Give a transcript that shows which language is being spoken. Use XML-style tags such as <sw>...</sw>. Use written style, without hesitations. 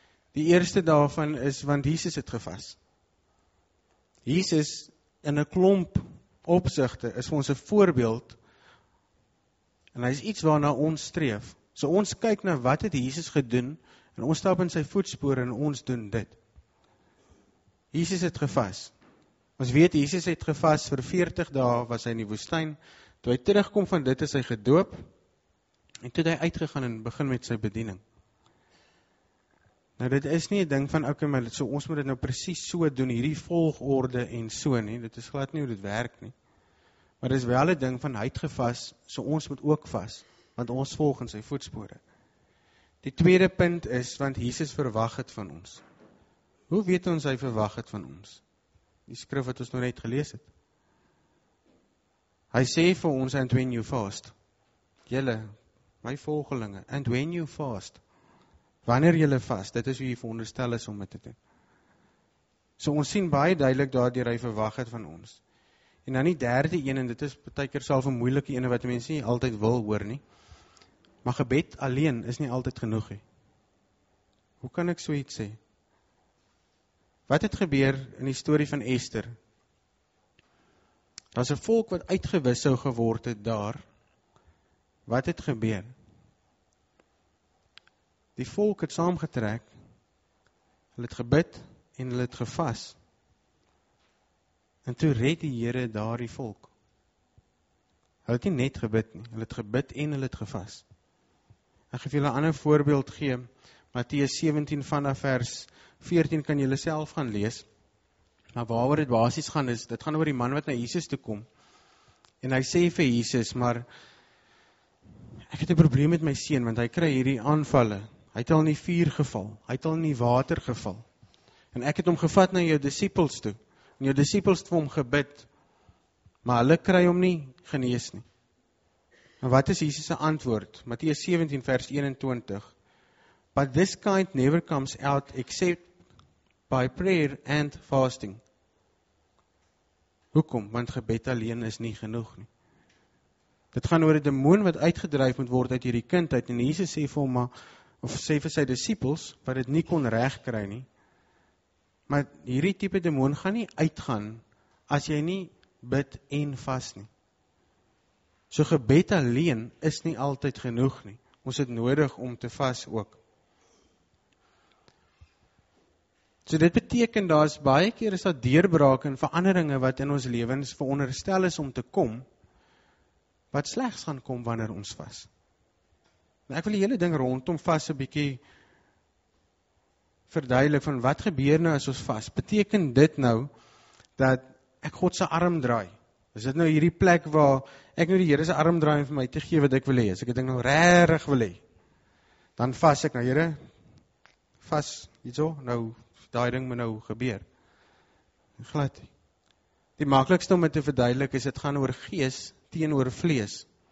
<af>Die eerste daarvan is, want Jesus het gevas. Jesus, in 'n klomp opsigte, is vir ons 'n voorbeeld, en hy is iets waarna ons streef. So ons kyk na wat het Jesus gedoen, en ons stap in sy voetspore en ons doen dit. Jesus het gevas. Ons weet, Jesus het gevas vir 40 dae, was hy in die woestyn. Toe hy terugkom van dit, is hy gedoop. En toe het hy uitgegaan en begin met sy bediening. Nou, dit is nie 'n ding van, ok, maar dit, so, ons moet dit nou precies so doen, hierdie volgorde en so nie. Dit is glad nie hoe dit werk nie. Maar dit is wel 'n ding van, hy het gevas, so ons moet ook vas, want ons volg in sy voetspore. Die tweede punt is, want Jesus verwag het van ons. Hoe weet ons hy verwag het van ons? Die skrif wat ons nou net gelees het. Hy sê vir ons,</af> <en>and when you fast,</en> <af>julle, my volgelinge,</af> <en>and when you fast,</en> <af>Wanneer jylle vas, dit is hoe jy veronderstel is om dit te doen. So ons sien baie duidelik daardie hy verwag het van ons. En dan die derde een, en dit is baie keer self een moeilike ene wat mense nie altyd wil hoor nie. Maar gebed alleen is nie altyd genoeg nie. Hoe kan ek so iets sê? Wat het gebeur in die story van Esther? Daar is een volk wat uitgewis sou geword het daar. Wat het gebeur? Die volk het saamgetrek, hulle het gebid en hulle het gevas. En toe red die Here daar die volk. Hulle het nie net gebid nie, hulle het gebid en hulle het gevas. Ek geef julle 'n ander voorbeeld gee, Matteus 17 vanaf vers 14 kan julle self gaan lees. Maar waaroor dit basies gaan is, dit gaan oor die man wat na Jesus toe kom. En hy sê vir Jesus, maar ek het 'n probleem met my seun, want hy kry hierdie aanvalle. Hy het al in die vuur geval, hy het al in die water geval. En ek het hom gevat na jou disciples toe, en jou disciples het vir hom gebid, maar hulle kry hom nie genees nie. En wat is Jesus' antwoord? Matteus 17 vers 21,</af> <en>But this kind never comes out except by prayer and fasting.</en> <af>Hoekom? Want gebed alleen is nie genoeg nie. Dit gaan oor die demoon wat uitgedryf moet word uit hierdie kind uit, en Jesus sê vir hom maar, of sê vir sy disciples, wat het nie kon reg kry nie, maar hierdie type demoon gaan nie uitgaan, as jy nie bid en vas nie. So gebed alleen is nie altyd genoeg nie, ons het nodig om te vas ook. So dit beteken, daar is baie keer is daar deurbraak en veranderinge wat in ons lewens veronderstel is om te kom, wat slegs gaan kom wanneer ons vas. Maar ek wil die hele ding rondom vas een bykie verduidelik van wat gebeur nou as ons vas. Beteken dit nou dat ek God sy arm draai? Is dit nou hierdie plek waar ek nou die Here sy arm draai vir my te gee wat ek wil hee? As ek dit nou rarig wil hee, dan vas ek nou Here, vas, jy so, nou die ding moet nou gebeur. Glad. Die makkelijkste om het te verduidelik is, het gaan oor gees teenoor vlees.</af>